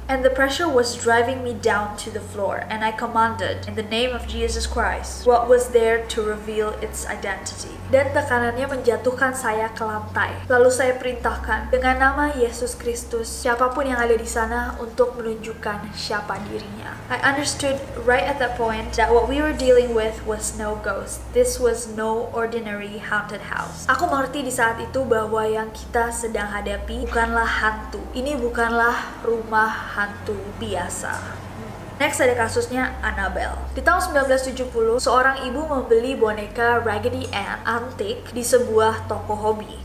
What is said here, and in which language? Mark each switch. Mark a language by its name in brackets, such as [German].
[English] And the pressure was driving me down to the floor, and I commanded, in the name of Jesus Christ, what was there to reveal its identity. [Indonesian] Dan tekanannya menjatuhkan saya ke lantai. Lalu saya perintahkan, dengan nama Yesus Kristus, siapapun yang ada di sana untuk menunjukkan siapa dirinya. [English] I understood right at that point that what we were dealing with was no ghost. This was no ordinary haunted house. [Indonesian] Aku mengerti di saat itu bahwa yang kita sedang hadapi bukanlah hantu. Ini bukanlah rumah hantu biasa. Next ada kasusnya Annabelle. Di tahun 1970, seorang ibu membeli boneka Raggedy Ann antik di sebuah toko hobi.